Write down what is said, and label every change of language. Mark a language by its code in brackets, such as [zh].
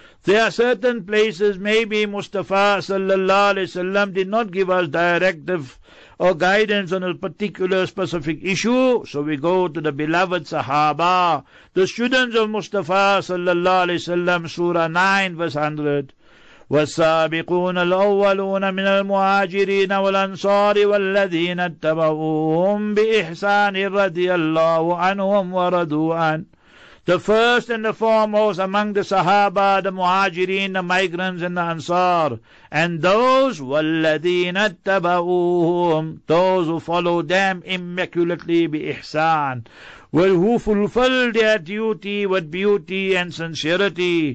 [en] There are certain places, maybe Mustafa sallallahu alayhi wa sallam did not give us directive or guidance on a particular specific issue, so we go to the beloved Sahaba, the students of Mustafa sallallahu alayhi wa sallam. Surah 9 verse 100. [ar] والسابقون الأولون من المهاجرين والأنصار والذين اتبعوهم بإحسان رضي الله عنهم ورضوا عنه. [en] The first and the foremost among the Sahaba, the Muhajirin, the migrants and the Ansar, and those, وَالَّذِينَ اتَّبَعُوهُمْ, those who followed them immaculately بِإِحْسَان, who fulfilled their duty with beauty and sincerity.